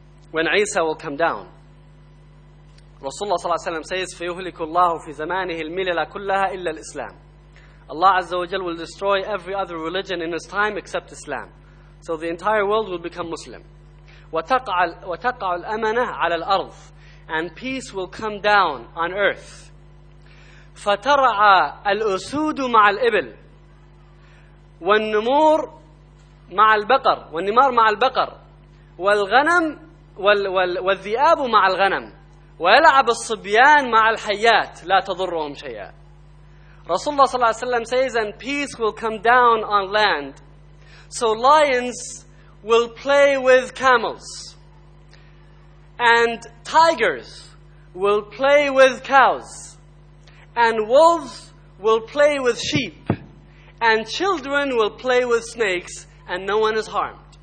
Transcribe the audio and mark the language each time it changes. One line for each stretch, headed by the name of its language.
English: When Isa will come down, Rasulullah sallallahu alayhi wa sallam says,
Arabic: فَيُهْلِكُ اللَّهُ فِي زَمَانِهِ الْمِلَلَ كُلَّهَا إِلَّا الْإِسْلَامِ.
English: Allah Azza wa Jal will destroy every other religion in His time except Islam. So the entire world will become Muslim.
Arabic: وَتَقْعَ الْأَمَنَةِ عَلَى الْأَرْضِ.
English: And peace will come down on earth.
Arabic: فَتَرَعَى الْأُسُودُ مَعَ الْإِبْلِ وَالنُّمُورُ مَعَ الْبَقَرِ وَالنِّمَارُ مَعَ الْبَقَرِ وَالْغَنَمُ والذئاب مع الغنم ويلعب الصبيان مع الحيات لا تضرهم شيئا.
English: Rasulullah
Arabic: صلى الله عليه وسلم
English: says, and peace will come down on land. So lions will play with camels, and tigers will play with cows, and wolves will play with sheep, and children will play with snakes, and no one is harmed.